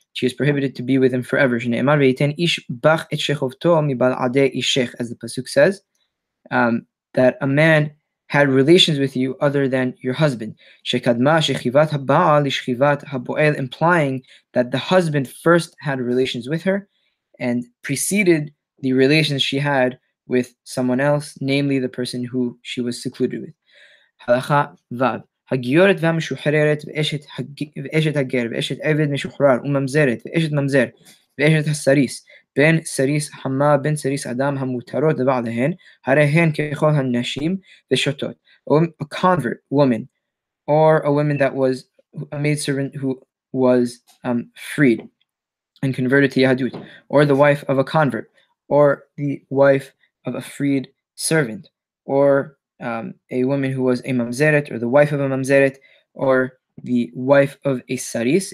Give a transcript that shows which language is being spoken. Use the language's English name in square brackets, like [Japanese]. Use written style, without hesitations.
[English] She is prohibited to be with him forever. [Hebrew] She'ne'emar ve'yiten ish bach et shechovto mibal ade ishech, [English] as the pasuk says, that a man had relations with you other than your husband. [Hebrew] She'kadma shechivat ha'ba'al lishchivat ha'bo'el, [English] implying that the husband first had relations with her and preceded the relations she had with someone else, namely the person who she was secluded with. [Hebrew] Halacha vav. הגיורת והמשוחררת ואשת הגר ואשת עבד משוחרר וממזרת ואשת ממזר ואשת הסריס בין סריס חמה בין סריס אדם המותרות לבעליהן הרי הן ככל הנשים ושוטות. [English] A convert woman, or a woman that was a maidservant who was freed and converted to Yahadut, or the wife of a convert, or the wife of a freed servant, or a woman who was a mamzeret, or the wife of a mamzeret, or the wife of a saris.